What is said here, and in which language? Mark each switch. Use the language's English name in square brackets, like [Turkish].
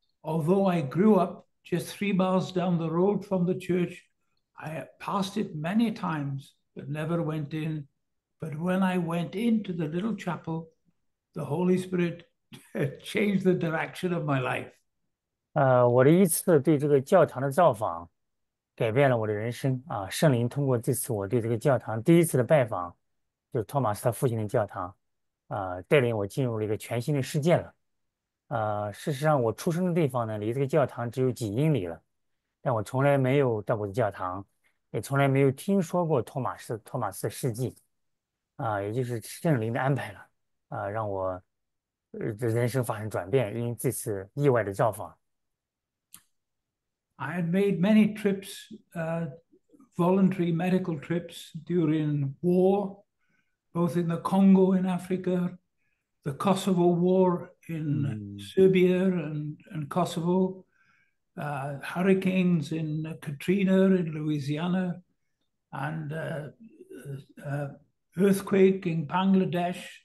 [English] Although I grew up just 3 miles down the road from the church, I passed it many times, but never went in. But when I went into the little chapel, the Holy Spirit changed the direction of my life. [Chinese] 我的一次对这个教堂的造访改变了我的人生啊！圣灵通过这次我对这个教堂第一次的拜访，就是托马斯他父亲的教堂，带领我进入了一个全新的世界了。事实上我出生的地方呢，离这个教堂只有几英里了，但我从来没有到过的教堂，也从来没有听说过托马斯的事迹，也就是圣灵的安排了。让我人生发生转变，因为这次意外的造访。 [English] I had made many trips, voluntary medical trips during war, both in the Congo in Africa, the Kosovo war in Serbia and Kosovo, hurricanes in Katrina in Louisiana, and earthquake in Bangladesh.